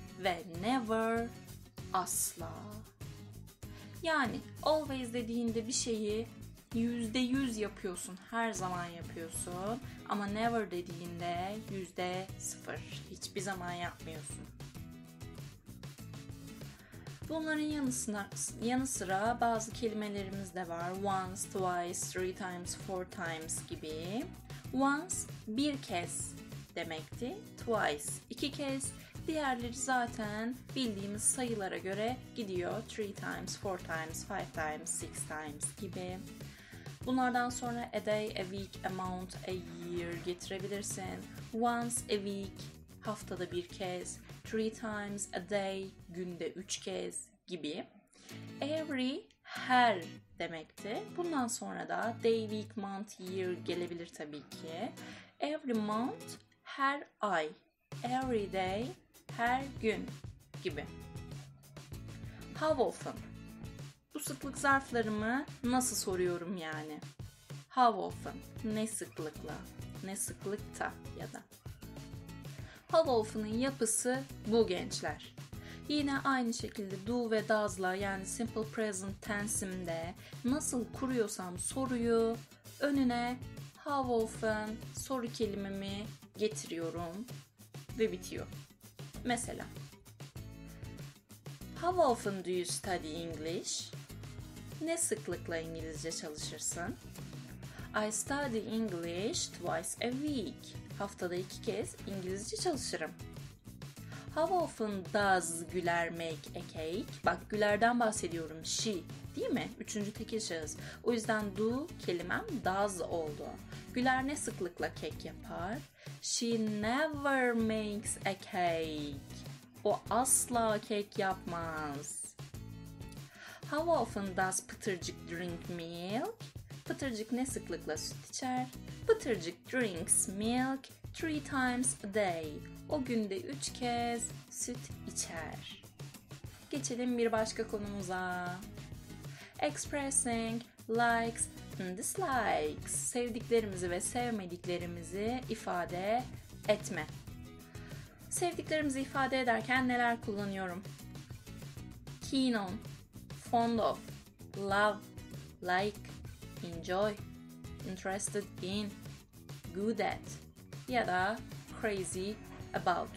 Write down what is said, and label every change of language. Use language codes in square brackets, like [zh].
[tr] Ve never, asla. Yani always dediğinde bir şeyi %100 yapıyorsun, her zaman yapıyorsun. Ama never dediğinde %0, hiçbir zaman yapmıyorsun. Bunların yanı sıra bazı kelimelerimiz de var. [en] Once, twice, three times, four times gibi. [tr] Once bir kez demekti. Twice iki kez. Diğerleri zaten bildiğimiz sayılara göre gidiyor. [en] Three times, four times, five times, six times gibi. [tr] Bunlardan sonra a day, a week, a month, a year getirebilirsin. [en] Once a week, [tr] haftada bir kez. [en] Three times a day, [tr] günde üç kez gibi. Every, her demekti. Bundan sonra da day, week, month, year gelebilir tabii ki. [en] Every month, [tr] her ay. [en] Every day, [tr] her gün gibi. [en] How often? [tr] Bu sıklık zarflarımı nasıl soruyorum yani? [en] How often? [tr] Ne sıklıkla? Ne sıklıkta ya da? How often'ın yapısı bu gençler. Yine aynı şekilde do ve does'la, yani simple present tense'imde nasıl kuruyorsam soruyu, önüne how often soru kelimemi getiriyorum ve bitiyor. [en] Mesela, how often do you study English? [tr] Ne sıklıkla İngilizce çalışırsın? [en] I study English twice a week. [tr] Haftada iki kez İngilizce çalışırım. [en] How often does Güler make a cake? [tr] Bak Güler'den bahsediyorum. She, değil mi? Üçüncü tekil şahıs. O yüzden do kelimem does oldu. Güler ne sıklıkla kek yapar? [en] She never makes a cake. [tr] O asla kek yapmaz. [en] How often does Pıtırcık drink milk? [tr] Pıtırcık ne sıklıkla süt içer? [en] Pıtırcık drinks milk three times a day. [tr] O günde üç kez süt içer. Geçelim bir başka konumuza. [en] Expressing likes and dislikes. [tr] Sevdiklerimizi ve sevmediklerimizi ifade etme. Sevdiklerimizi ifade ederken neler kullanıyorum? [en] Keen on, fond of, love, like, enjoy, interested in, good at ya da crazy about.